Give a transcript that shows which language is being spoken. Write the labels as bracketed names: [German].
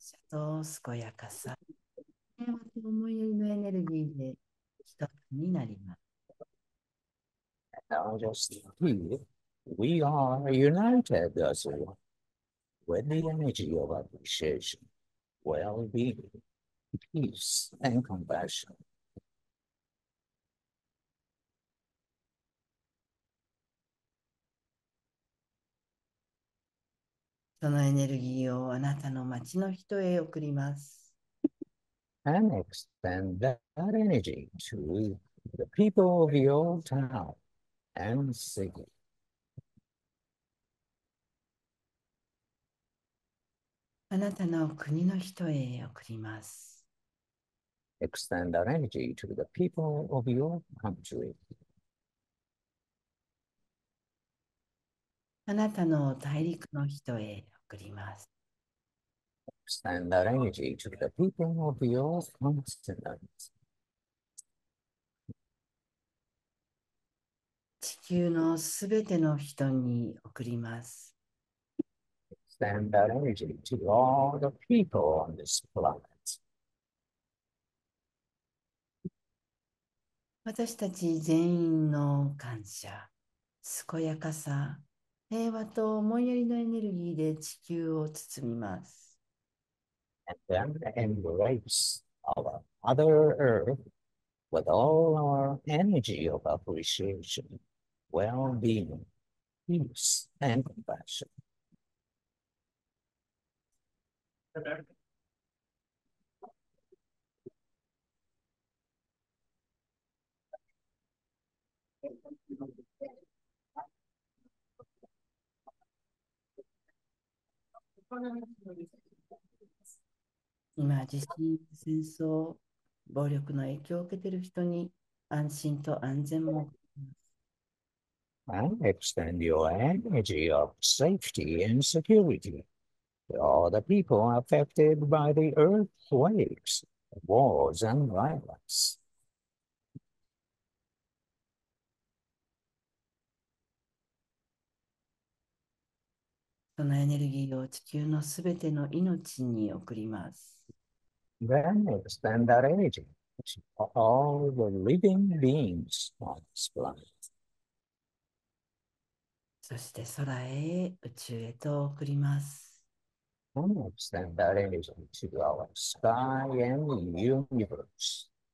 [Japanese] と健やかさ、平和と思いやりのエネルギーで一つになります。 [English] Now just we are united as one with the energy of appreciation, well-being, peace, and compassion. [Japanese] そのエネルギーをあなたの町の人へ送ります。 [English] And extend that energy to the people of your town. And sing it. [Japanese] あなたの国の人へ送ります。 [English] Extend that energy to the people of your country. [Japanese] あなたの大陸の人へ送ります。 [English] Extend that energy to the people of your continent. [Japanese] 地球のすべての人に送ります。 [English] Extend that energy to all the people on this planet. [Japanese] 私たち全員の感謝、健やかさ、平和と思いやりのエネルギーで地球を包みます。 [English] And embrace our other Earth with all our energy of appreciation, well-being, peace, and compassion. [Japanese] まあ、地震、戦争、暴力の影響を受けている人に安心と安全も。 [English] And extend your energy of safety and security to all the people affected by the earthquakes, wars, and violence. [Japanese] そのエネルギーを地球のすべての命に送ります。 [English] Then extend that energy to all the living beings on this planet. [Japanese] そして空へ、宇宙へと送ります。 [English] And extend that energy to our sky and universe.